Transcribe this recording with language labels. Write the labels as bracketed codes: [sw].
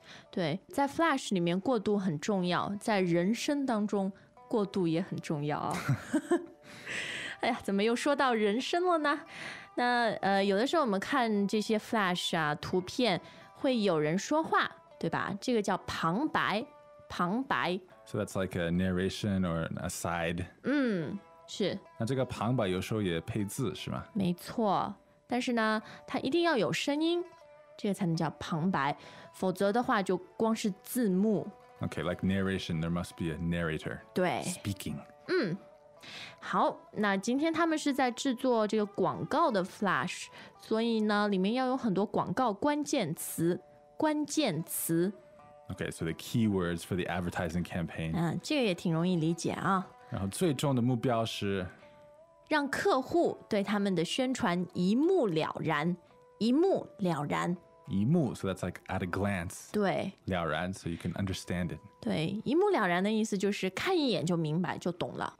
[zh] 对，在 Flash 里面过渡很重要，在人生当中过渡也很重要。哎呀，怎么又说到人生了呢？那有的时候我们看这些 Flash 啊图片会有人说话对吧，这个叫旁白。旁白。 [en] So that's like a narration or an aside. [zh] 嗯，是。那这个旁白有时候也配字是吗？没错，但是呢它一定要有声音，这个才能叫旁白，否则的话就光是字幕。 [en] Okay, like narration, there must be a narrator. [zh] 对， [en] speaking. [zh] 嗯，好，那今天他们是在制作这个广告的 flash， 所以呢里面要有很多广告关键词，关键词。 [en] Okay, so the keywords for the advertising campaign. [zh] 这个也挺容易理解啊。然后最终的目标是让客户对他们的宣传一目了然，一目了然。一目 [en] ，so that's like at a glance. [zh] 对，了然 [en] ，so you can understand it. [zh] 对，一目了然的意思就是看一眼就明白，就懂了。